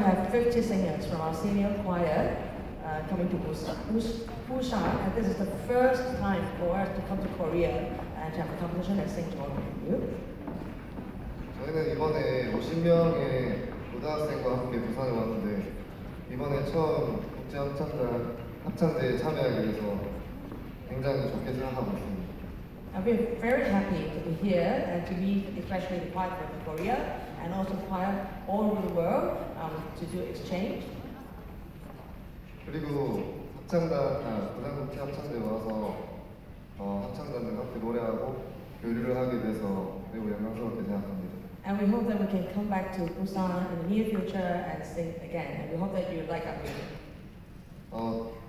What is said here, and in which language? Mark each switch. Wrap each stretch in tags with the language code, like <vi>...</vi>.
<en>50 singers from our senior choir coming to Busan. And this is the first time for us to come to Korea and to have a competition at St. John with you.</en> <ko>저희는 이번에 50명의 고등학생과 함께 부산에 왔는데 이번에 처음 국제 합창대에 참여하기 위해서 굉장히 좋게 생각하고 있습니다.</ko> <en>I've been very happy to be here and to meet especially the choir from Korea and also choir all over the world to do exchange.</en> <ko>그리고 합창단, 부산국제 합창대 와서 합창단들 함께 노래하고 교류를 하게 돼서 매우 영광스럽게 생각합니다.</ko> <en>And we hope that we can come back to Busan in the near future and sing again. And we hope that you like our music.</en>